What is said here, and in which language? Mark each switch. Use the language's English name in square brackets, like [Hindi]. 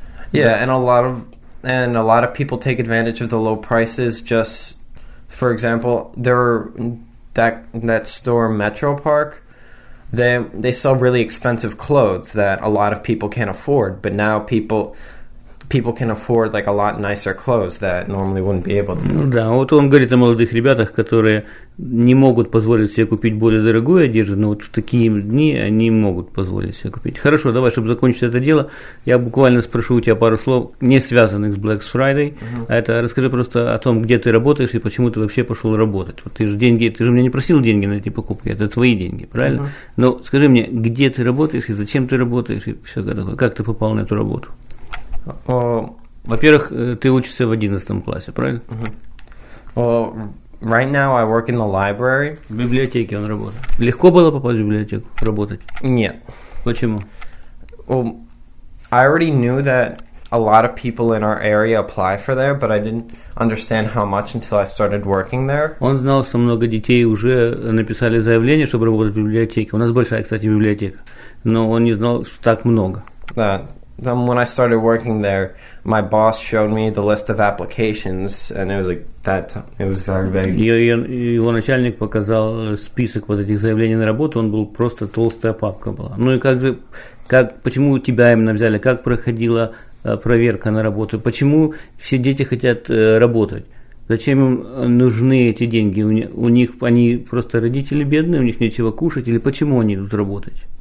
[English] Yeah, and a lot of people take advantage of the low prices. Just for example, there that store Metro Park, they sell really expensive clothes that a lot of people can't afford, but now people can afford like a lot nicer clothes that normally wouldn't be able to. [Russian] Ну да, вот он говорит о молодых ребятах, которые не могут позволить себе купить более дорогую одежду, но вот в такие дни они могут позволить себе купить. Хорошо, давай, чтобы закончить это дело, я буквально спрошу у тебя пару слов, не связанных с Black Friday. Mm-hmm. Это расскажи просто о том, где ты работаешь и почему ты вообще пошел работать. Вот ты же меня не просил деньги на эти покупки, это твои деньги, правильно? Mm-hmm. Но скажи мне, где ты работаешь и зачем ты работаешь и все такое, как ты попал на эту работу? Во-первых, ты учишься в 11 классе, правильно? [English] Well, right now I work in the library. [Russian] В библиотеке он работает. Легко было попасть в библиотеку, работать? Нет. Почему? [English] Well, I already knew that a lot of people in our area apply for there, but I didn't understand how much until I started working there. [Russian] Он знал, что много детей уже написали заявление, чтобы работать в библиотеке. У нас большая, кстати, библиотека. Но он не знал, что так много. Да. [English] Then when I started working there, my boss showed me the list of applications, and it was like that time, it was very big. [Russian] Его начальник показал список вот этих заявлений на работу, он был просто толстая папка была. Ну и как почему тебя именно взяли, как проходила проверка на работу, почему все дети хотят работать? Зачем им нужны эти деньги? У них они просто родители бедные, у них нечего кушать, или почему они идут работать?